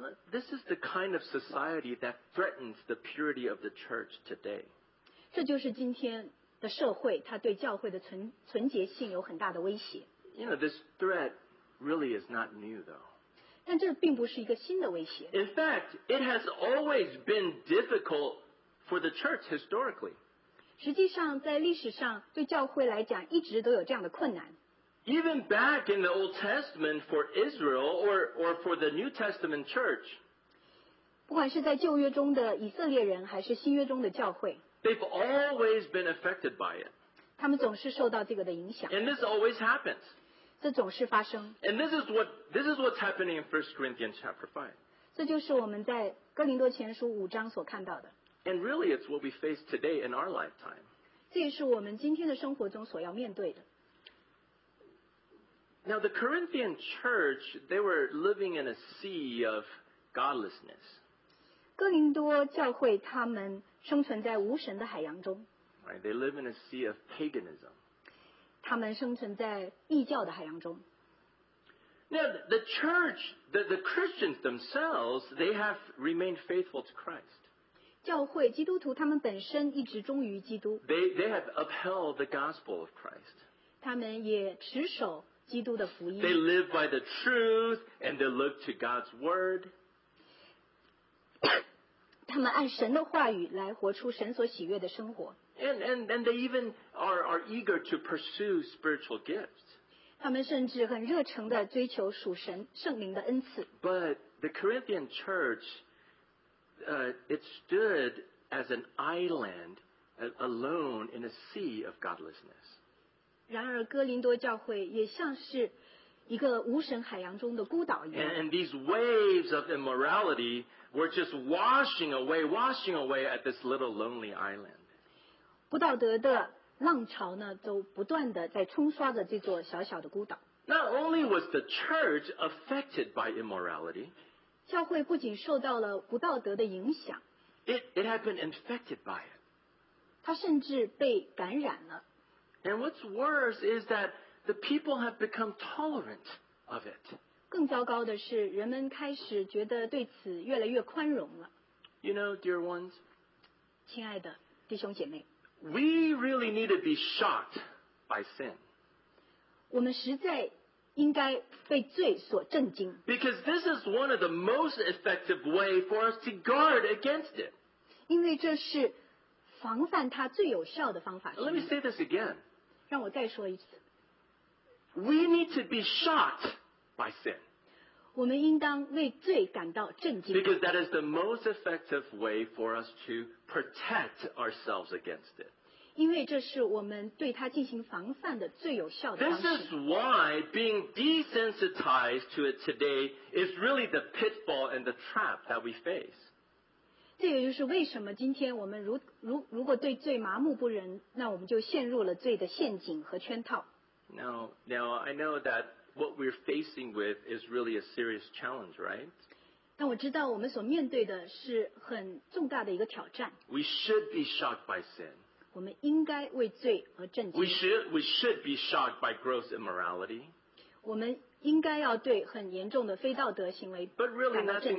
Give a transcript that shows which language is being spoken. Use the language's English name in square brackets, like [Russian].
[English] This is the kind of society that threatens the purity of the church today. [Chinese] 这就是今天的社会，它对教会的纯洁性有很大的威胁。 [English] You know, this threat really is not new, though. [Chinese] 但这并不是一个新的威胁。 [English] In fact, it has always been difficult. For the church historically. [Chinese] 实际上在历史上对教会来讲一直都有这样的困难。 [English] Even back in the Old Testament for Israel or for the New Testament church. [Chinese] 不管是在旧约中的以色列人还是新约中的教会。 [English] They've always been affected by it. [Chinese] 他们总是受到这个的影响。 [English] And this always happens. [Chinese] 这总是发生。 [English] And this is what's happening in 1 Corinthians chapter 5. [Chinese] 这就是我们在哥林多前书五章所看到的。 [English] And really, it's what we face today in our lifetime. [Chinese] 这也是我们今天的生活中所要面对的。 [English] Now, the Corinthian church, they were living in a sea of godlessness. [Chinese] 哥林多教会他们生存在无神的海洋中。 [English] Right, they live in a sea of paganism. [Chinese] 他们生存在异教的海洋中。 [English] Now, the church, the Christians themselves, they have remained faithful to Christ. [Chinese] 教会基督徒他们本身一直忠于基督。 [English] They have upheld the gospel of Christ. [Chinese] 他们也持守基督的福音。 [English] They live by the truth and they look to God's word. [Chinese] 他们按神的话语来活出神所喜悦的生活。 [English] And they even are eager to pursue spiritual gifts. [Chinese] 他们甚至很热诚地追求属神圣灵的恩赐。 [English] But the Corinthian church. It stood as an island alone in a sea of godlessness. [Chinese] 然而哥林多教会也像是一个无神海洋中的孤岛一样。 [English] And these waves of immorality were just washing away at this little lonely island. [Chinese] 不道德的浪潮呢，都不断地在冲刷着这座小小的孤岛。 [English] Not only was the church affected by immorality, [Chinese] 教会不仅受到了不道德的影响 [English] it had been infected by it. [Chinese] 它甚至被感染了 [English] And what's worse is that The people have become tolerant of it. [Chinese] 更糟糕的是，人们开始觉得对此越来越宽容了。 [English] You know, dear ones, [Chinese] 亲爱的弟兄姐妹， [English] we really need to be shocked by sin. [Chinese] 我们实在应该被罪所震惊。 [English] Because this is one of the most effective ways for us to guard against it. [Chinese] 因为这是防范它最有效的方法。 [English] Let me say this again. [Chinese] 让我再说一次。 [English] We need to be shocked by sin. [Chinese] 我们应当为罪感到震惊。 [English] Because that is the most effective way for us to protect ourselves against it. [Chinese] 因为这是我们对它进行防范的最有效的方式。 [English] This is why being desensitized to it today is really the pitfall and the trap that we face. [Chinese] 这也就是为什么今天我们如果对罪麻木不仁，那我们就陷入了罪的陷阱和圈套。 [English] Now, I know that what we're facing with is really a serious challenge, right? [Chinese] 但我知道我们所面对的是很重大的一个挑战。 [English] We should be shocked by sin. [Chinese] 我们应该为罪而震惊。 [English] We should be shocked by gross immorality. [Chinese] 我们应该要对很严重的非道德行为感到震惊。